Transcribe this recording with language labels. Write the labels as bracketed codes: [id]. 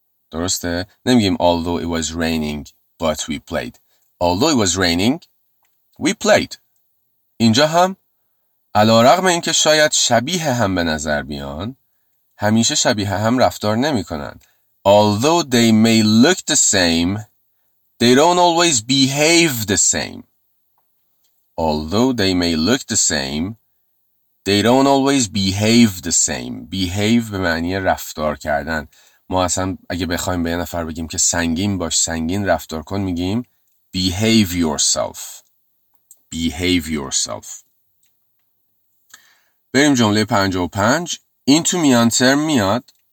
[fa] درسته؟ نمیگیم [en] although it was raining but we played. Although it was raining we played. [fa] اینجا هم علی‌رغم اینکه شاید شبیه هم به نظر بیان، همیشه شبیه هم رفتار نمی کنن. [en] Although they may look the same they don't always behave the same. Although they may look the same, they don't always behave the same. [fa] Behave به معنی رفتار کردن. ما اصلا اگه بخوایم به یه نفر بگیم که سنگین باش، سنگین رفتار کن، میگیم [en] behave yourself. Behave yourself. [fa] بریم جمله 55. این تو میان ترم میاد.